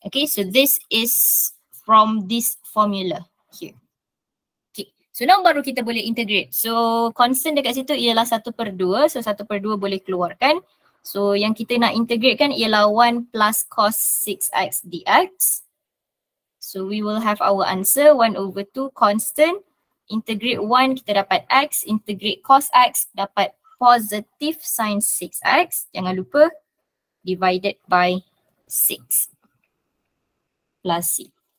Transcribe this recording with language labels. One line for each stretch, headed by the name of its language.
English: Okay, so this is from this formula here. Okay, so now
Malay: baru kita boleh integrate. So constant dekat situ ialah 1 per 2. So 1 per 2 boleh keluarkan. So yang kita nak integrate kan ialah 1 plus cos 6x dx.
English: So we will have our answer 1 over 2 constant.
Malay: Integrate 1 kita dapat x. Integrate cos x dapat positive sin 6x. Jangan lupa divided by 6 plus c.